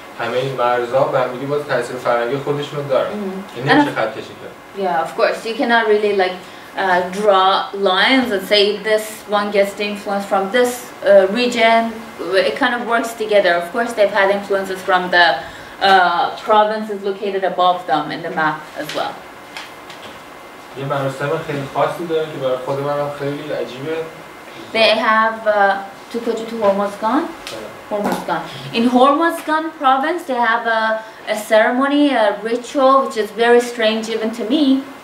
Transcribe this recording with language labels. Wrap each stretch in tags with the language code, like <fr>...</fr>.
<fa>همه این مرزا و همدیگه باز تاثیر فرهنگی خودشون دارن. این نمیشه خط کشی کرد.</fa> <en>Yeah, of course. You cannot really like draw lines and say this one gets the influence from this region. It kind of works together. Of course, they've had influences from the provinces located above them in the map as well.</en> <fa>یه مراسم خیلی خاصی دارن که برای خود منم خیلی عجیبه.</fa> <en>They have to go to Hormuzgan. Hormuzgan. In Hormuzgan province, they have a ceremony, a ritual, which is very strange even to me.</en>